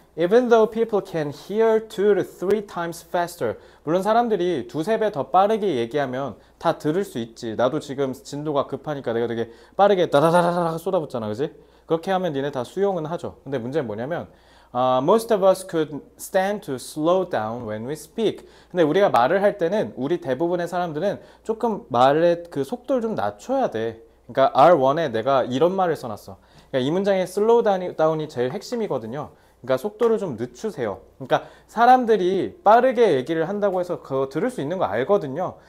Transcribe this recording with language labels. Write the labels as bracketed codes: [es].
[en] Even though people can hear two to three times faster. [ko] 물론 사람들이 두세 배더 빠르게 얘기하면 다 들을 수 있지. 나도 지금 진도가 급하니까 내가 되게 빠르게 따다다다다 쏟아붓잖아. 그지? 그렇게 하면 니네 다 수용은 하죠. 근데 문제는 뭐냐면 [en] most of us could stand to slow down when we speak. [ko] 근데 우리가 말을 할 때는 우리 대부분의 사람들은 조금 말의 그 속도를 좀 낮춰야 돼. 그러니까 R1에 내가 이런 말을 써놨어. 그러니까 이 문장의 슬로우 다운이 제일 핵심이거든요. 그러니까 속도를 좀 늦추세요. 그러니까 사람들이 빠르게 얘기를 한다고 해서 그거 들을 수 있는 거 알거든요.